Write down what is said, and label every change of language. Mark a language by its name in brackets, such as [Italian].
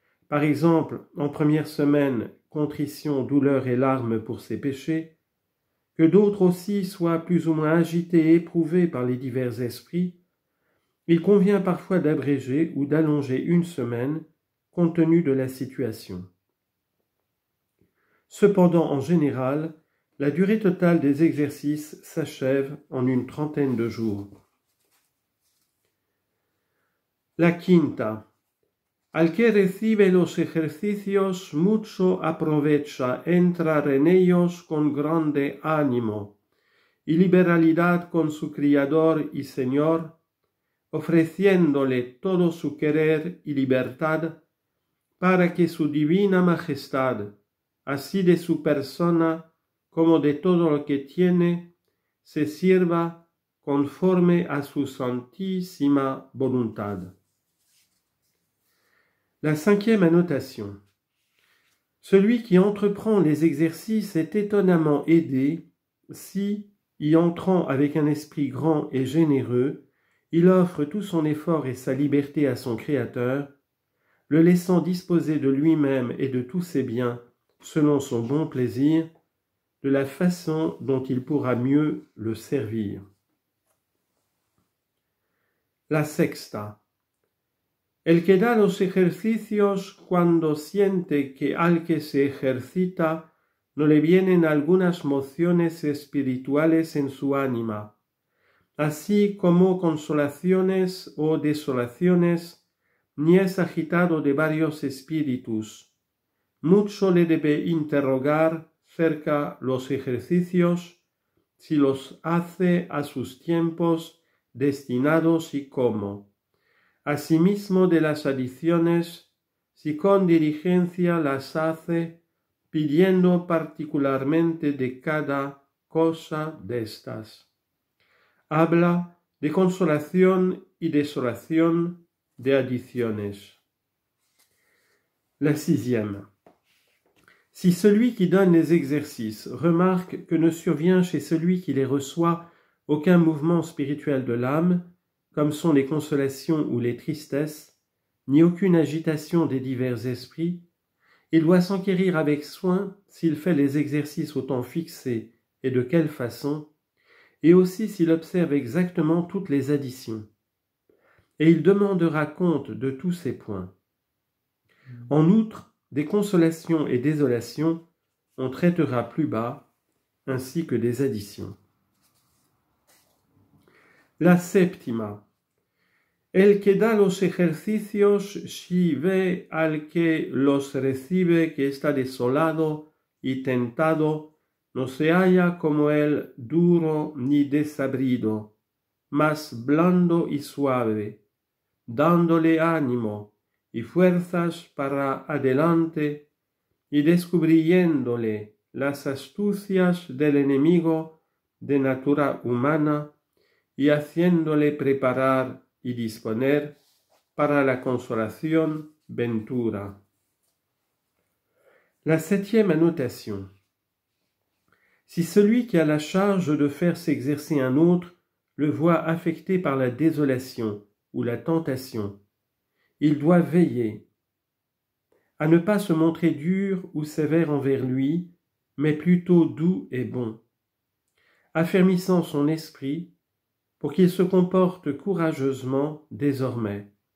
[French] Par exemple, en première semaine, contrition, douleur et larmes pour ses péchés, que d'autres aussi soient plus ou moins agités et éprouvés par les divers esprits, il convient parfois d'abréger ou d'allonger une semaine, compte tenu de la situation. Cependant, en général, la durée totale des exercices s'achève en une trentaine de jours. [Spanish] La quinta. Al que recibe los ejercicios, mucho aprovecha entrar en ellos con grande ánimo y liberalidad con su Criador y Señor, ofreciéndole todo su querer y libertad, para que su divina majestad, así de su persona como de todo lo que tiene, se sirva conforme a su santísima voluntad. [French] La cinquième annotation. Celui qui entreprend les exercices est étonnamment aidé si, y entrant avec un esprit grand et généreux, il offre tout son effort et sa liberté à son Créateur, le laissant disposer de lui-même et de tous ses biens, selon son bon plaisir, de la façon dont il pourra mieux le servir. [Spanish] La sexta. El que da los ejercicios cuando siente que al que se ejercita no le vienen algunas mociones espirituales en su ánima, así como consolaciones o desolaciones, ni es agitado de varios espíritus. Mucho le debe interrogar cerca los ejercicios, si los hace a sus tiempos destinados y cómo. Asimismo de las adiciones, si con diligencia las hace, pidiendo particularmente de cada cosa destas. Habla de consolación y desolación de adiciones. [French] La sixième. Si celui qui donne les exercices remarque que ne survient chez celui qui les reçoit aucun mouvement spirituel de l'âme, comme sont les consolations ou les tristesses, ni aucune agitation des divers esprits, il doit s'enquérir avec soin s'il fait les exercices au temps fixé et de quelle façon, et aussi s'il observe exactement toutes les additions. Et il demandera compte de tous ces points. En outre, des consolations et désolations, on traitera plus bas, ainsi que des additions. [Spanish] La séptima. El que da los ejercicios, si ve al que los recibe que está desolado y tentado, no se halla como él duro ni desabrido, mas blando y suave, dándole ánimo y fuerzas para adelante y descubriéndole las astucias del enemigo de natura humana y haciéndole preparar y disponer para la consolación ventura. [French] La septième annotation. Si celui qui a la charge de faire s'exercer un autre le voit affecté par la désolation ou la tentation, il doit veiller à ne pas se montrer dur ou sévère envers lui, mais plutôt doux et bon, affermissant son esprit pour qu'il se comporte courageusement désormais.